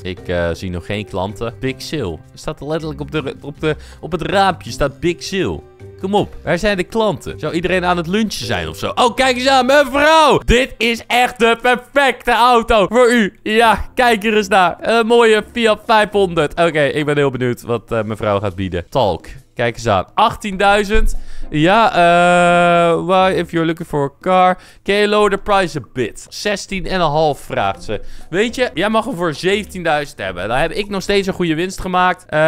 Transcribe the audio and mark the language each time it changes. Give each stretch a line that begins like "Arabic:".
Dutch: Ik zie nog geen klanten.
English: Big sale.
Dutch: Staat er letterlijk op het raampje. Staat
English: big sale.
Dutch: Kom op, waar zijn de klanten? Zou iedereen aan het lunchen zijn of zo? Oh, kijk eens aan, mevrouw! Dit is echt de perfecte auto voor u. Ja, kijk er eens naar. Een mooie Fiat 500. Oké, ik ben heel benieuwd wat mevrouw gaat bieden. Talk. Kijk eens aan. 18.000.
English: Ja, why if you're looking for a car? Can you lower the price a bit?
Dutch: 16,5 vraagt ze. Weet je, jij mag hem voor 17.000 hebben. Dan heb ik nog steeds een goede winst gemaakt.